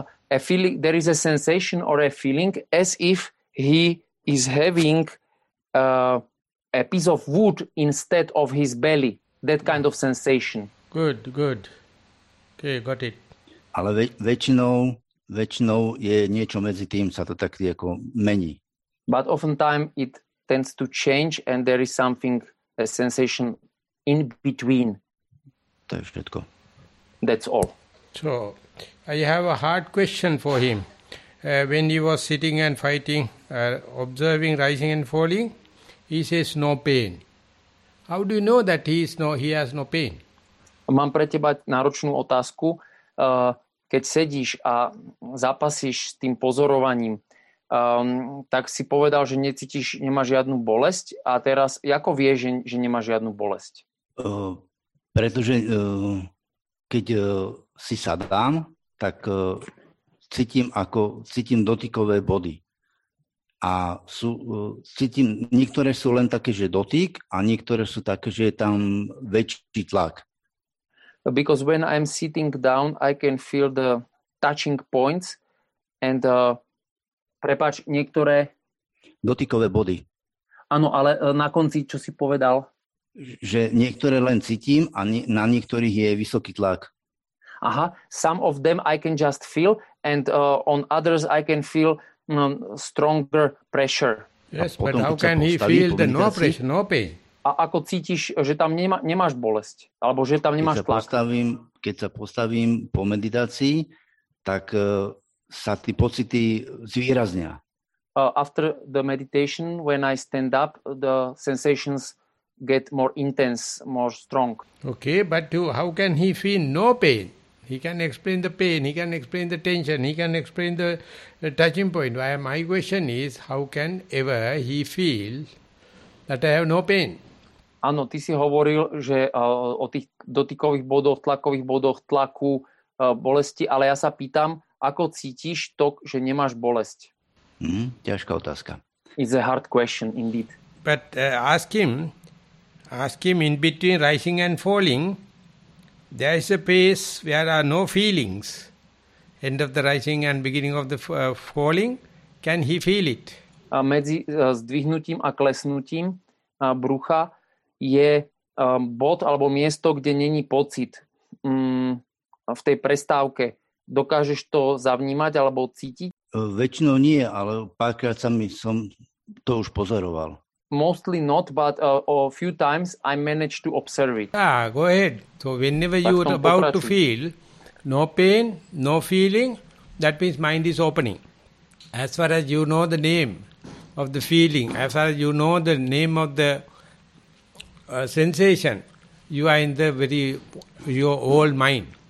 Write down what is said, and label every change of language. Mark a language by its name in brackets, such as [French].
[English] A feeling, there is a sensation or a feeling as if he is having a piece of wood instead of his belly. That kind of sensation. Good. Okay, got it. [Slovak] Ale väčšinou je niečo medzi tým, sa to tak ako mení. [English] But oftentimes it tends to change and there is something, a sensation in between. [Slovak] To je všetko. [English] That's all. So, I have a hard question for him. when he was sitting and fighting, observing rising and falling, he says no pain. How do you know that he has no pain? [Slovak] Mám pre teba náročnú otázku. Keď sedíš a zápasíš s tým pozorovaním, tak si povedal, že necítiš, nemáš žiadnu bolesť. A teraz, ako vieš, že nemáš žiadnu bolesť? Pretože keď si sadám, tak cítim dotykové body. A cítim, niektoré sú len také, že dotyk, a niektoré sú také, že je tam väčší tlak. [English] Because when I'm sitting down, I can feel the touching points and [Slovak] prepáč, niektoré... Dotykové body. Áno, ale na konci, čo si povedal? Že niektoré len cítim a na niektorých je vysoký tlak. [English] Aha, some of them I can just feel and on others I can feel stronger pressure. Yes, [Slovak] potom, [English] but how can he feel the no pressure, no pain? [Slovak] A ako cítiš, že tam nemáš bolesť? Alebo že tam nemáš keď tlak? Keď sa postavím po meditácii, tak sa tí pocity zvýraznia. [English] After the meditation, when I stand up, the sensations get more intense, more strong. Okay, but how can he feel no pain? He can explain the pain, he can explain the tension, he can explain the touching point. My question is, how can ever he feel that I have no pain? [Slovak] Áno, ty si hovoril, že o tých dotykových bodoch, tlakových bodoch, tlaku, bolesti, ale ja sa pýtam, ako cítiš to, že nemáš bolesť? Ťažká otázka. [English] It's a hard question indeed. But ask him in between rising and falling, there is a place where there are no feelings. End of the rising and beginning of the falling, can he feel it? [Slovak] A medzi zdvihnutím a klesnutím brucha je bod alebo miesto, kde není pocit. V tej prestávke dokážeš to zavnímať alebo cítiť? Väčšinou nie, ale párkrát som to už pozoroval. [English] Mostly not, but a few times I managed to observe it. Yeah, go ahead. So whenever you are about to feel no pain, no feeling, that means mind is opening. As far as you know the name of the feeling, as far as you know the name of the sensation, you are in the very, your old mind.